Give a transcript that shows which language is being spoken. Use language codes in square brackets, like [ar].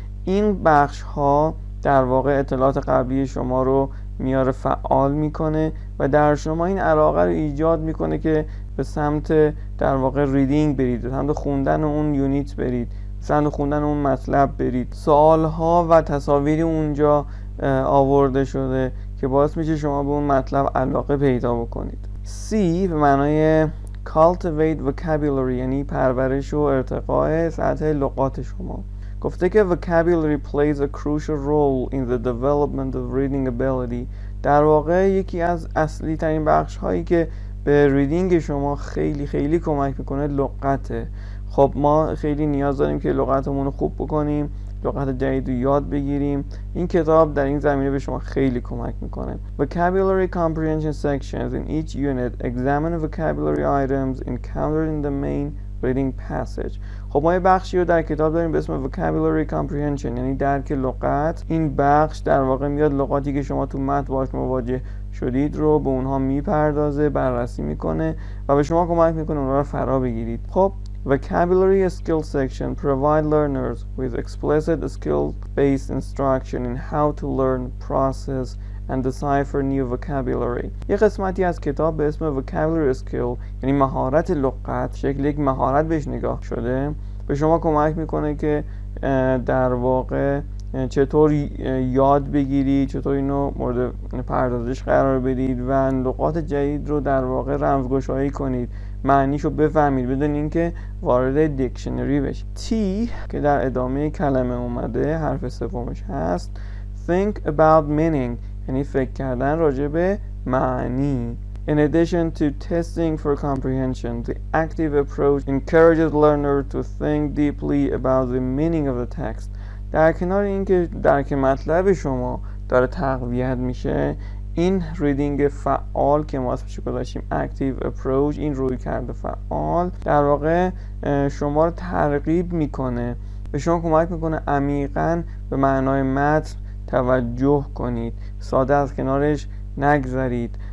[fa] این بخش ها در واقع اطلاعات قبلی شما رو میاره فعال میکنه و در شما این علاقه رو ایجاد میکنه که به سمت در واقع ریدینگ برید، به سمت خوندن اون یونیت برید، به سمت خوندن اون مطلب برید. سوال ها و تصاویری اونجا آورده شده که باعث میشه شما به اون مطلب علاقه پیدا بکنید. C به معنای cultivate vocabulary، یعنی پرورش و ارتقاء سطح لغات شما. [en] گفته که vocabulary plays a crucial role in the development of reading ability. [fa] در واقع یکی از اصلی ترین بخش هایی که به ریدینگ شما خیلی خیلی کمک میکنه لغته. خب ما خیلی نیاز داریم که لغتمون رو خوب بکنیم، لغت جدید رو یاد بگیریم. این کتاب در این زمینه به شما خیلی کمک میکنه. [en] Vocabulary comprehension sections in each unit examine vocabulary items encountered in the main reading passage. [fa] خب ما یه بخشی رو در کتاب داریم به اسم Vocabulary Comprehension، یعنی درک لغت. این بخش در واقع میاد لغاتی که شما تو متن باهاش مواجه شدید رو به اونها میپردازه، بررسی میکنه و به شما کمک میکنه اونها رو فرا بگیرید. [en] خب Vocabulary Skill Section provide learners with explicit skill-based instruction in how to learn, process and decipher new vocabulary. [fa] یه قسمتی از کتاب به اسم Vocabulary Skill، یعنی مهارت لغت، شکل یک مهارت بهش نگاه شده، به شما کمک میکنه که در واقع چطور یاد بگیرید، چطور اینو مورد پردازش قرار بدید و لغات جدید رو در واقع رمزگشایی کنید معنیشو بفهمید، بدونین که وارد دیکشنری بشید. تی که در ادامه کلمه اومده حرف سومش هست، think about meaning یعنی فکر کردن راجع به معنی. [en] In addition to testing for comprehension, the active approach encourages learner to think deeply about the meaning of the text. [fa] در کنار اینکه درک مطلب شما داره تقویت میشه، این ریدینگ فعال که ما اسمش گذاشتیم active approach، این روی کرده فعال در واقع شما رو ترغیب میکنه، به شما کمک میکنه عمیقا به معنای متن توجه کنید، ساده از کنارش نگذرید.